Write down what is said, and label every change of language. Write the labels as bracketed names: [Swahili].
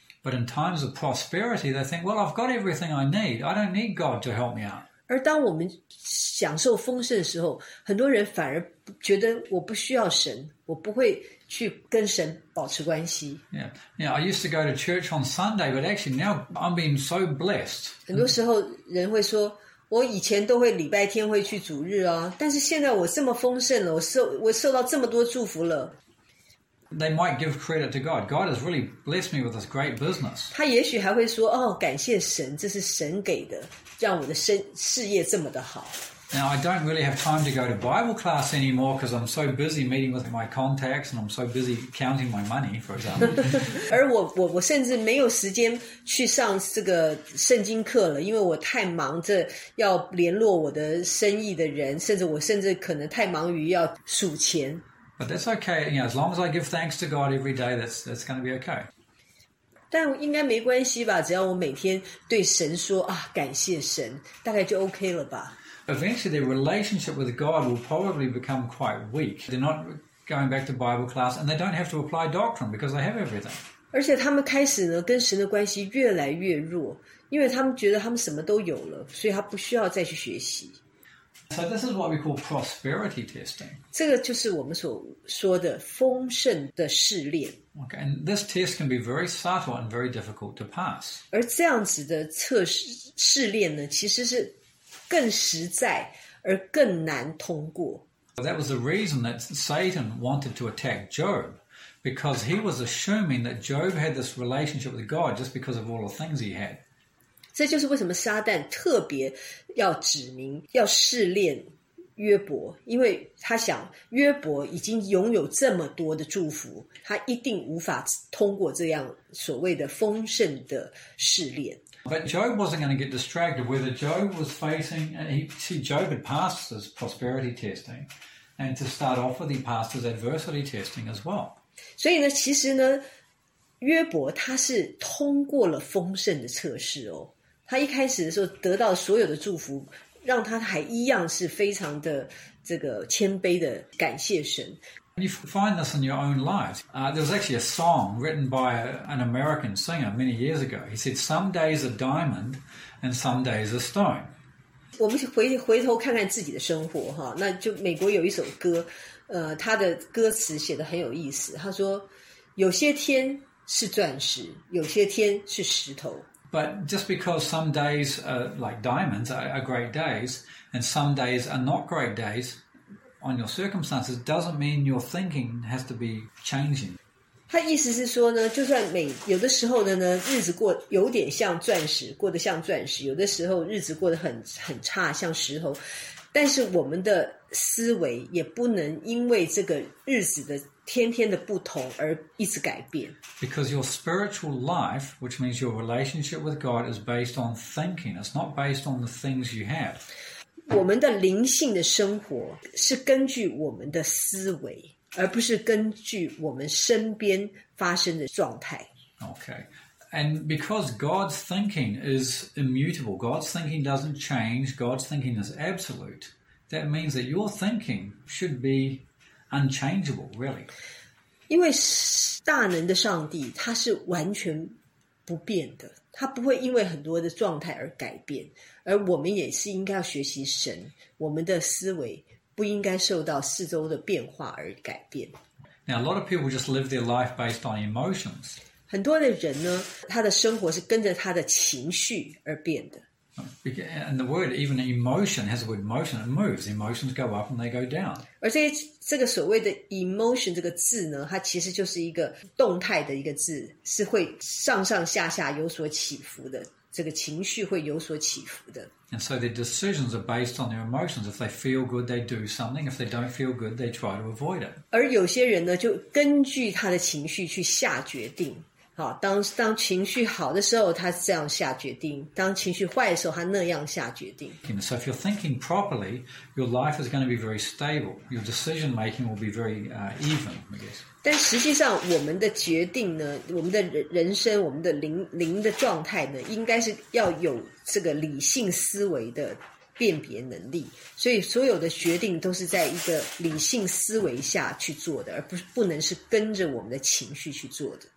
[English] But in times of prosperity, they think, "Well, I've got everything I need. I don't need God to help me out." [Chinese] 而当我们享受丰盛的时候，很多人反而觉得我不需要神，我不会。去跟神保持关系。 [English] Yeah, I used to go to church on Sunday, but actually now I'm being so blessed. [Chinese] 很多时候人会说，我以前都会礼拜天会去主日啊，但是现在我这么丰盛了，我受到这么多祝福了。 [English] They might give credit to God. God has really blessed me with this great business. [Chinese] 他也许还会说，哦，感谢神，这是神给的，让我的事业这么的好。 [English] Now, I don't really have time to go to Bible class anymore because I'm so busy meeting with my contacts and I'm so busy counting my money, for example. [Chinese] 而我甚至没有时间去上这个圣经课了，因为我太忙着要联络我的生意的人，甚至可能太忙于要数钱。 [English] But that's okay. You know, as long as I give thanks to God every day, that's going to be okay. [Chinese] 但应该没关系吧，只要我每天对神说啊，感谢神，大概就 OK 了吧。 [English] Eventually, their relationship with God will probably become quite weak. They're not going back to Bible class, and they don't have to apply doctrine because they have everything. [Chinese] 而且他们开始呢，跟神的关系越来越弱，因为他们觉得他们什么都有了，所以他不需要再去学习。 [English] So this is what we call prosperity testing. [Chinese] 这个就是我们所说的丰盛的试炼。 [English] Okay, and this test can be very subtle and very difficult to pass. [Chinese] 而这样子的测试炼呢，其实是。更实在而更难通过。 [English] That was the reason that Satan wanted to attack Job, because he was assuming that Job had this relationship with God just because of all the things he had. [Chinese] 这就是为什么撒旦特别要指明要试炼约伯，因为他想约伯已经拥有这么多的祝福，他一定无法通过这样所谓的丰盛的试炼。 [English] But Job wasn't going to get distracted. Whether Job was facing, Job had passed his prosperity testing, and to start off with, he passed his adversity testing as well. [Chinese] 所以呢，其实呢，约伯他是通过了丰盛的测试哦。他一开始的时候得到所有的祝福，让他还一样是非常的这个谦卑的感谢神。 [English] You find this in your own lives. There was actually a song written by an American singer many years ago. He said, "Some days a diamond, and some days a stone." [Chinese] 我们回头看看自己的生活哈，那就美国有一首歌，他的歌词写得很有意思，他说有些天是钻石，有些天是石头。 [English] But just because some days are like diamonds are great days, and some days are not great days on your circumstances, doesn't mean your thinking has to be changing. [Chinese] 他意思是说呢，就算每有的时候的呢，日子过有点像钻石，过得像钻石；有的时候日子过得很差，像石头。但是我们的思维也不能因为这个日子的天天的不同而一直改变。 [English] Because your spiritual life, which means your relationship with God, is based on thinking. It's not based on the things you have. [Chinese] 我们的灵性的生活是根据我们的思维，而不是根据我们身边发生的状态。 [English] Okay. And because God's thinking is immutable, God's thinking doesn't change, God's thinking is absolute, that means that your thinking should be unchangeable, really. [Chinese] 因为大能的上帝他是完全不变的，他不会因为很多的状态而改变，而我们也是应该要学习神，我们的思维不应该受到四周的变化而改变。 [English] Now, a lot of people just live their life based on emotions. [Chinese] 很多的人呢，他的生活是跟着他的情绪而变的。 [English] And the word, even emotion, has the word motion, it moves. Emotions go up and they go down. [Chinese] 而这个所谓的 emotion 这个字呢，它其实就是一个动态的一个字，是会上上下下有所起伏的。这个情绪会有所起伏的。 [English] And so their decisions are based on their emotions. If they feel good, they do something. If they don't feel good, they try to avoid it. [Chinese] 而有些人呢，就根据他的情绪去下决定。好，当情绪好的时候，他这样下决定；当情绪坏的时候，他那样下决定。 [English] So if you're thinking properly, your life is going to be very stable. Your decision making will be very even, I guess. [Chinese] 但实际上，我们的决定呢，我们的人生，我们的灵的状态呢，应该是要有这个理性思维的辨别能力。所以，所有的决定都是在一个理性思维下去做的，而不能是跟着我们的情绪去做的。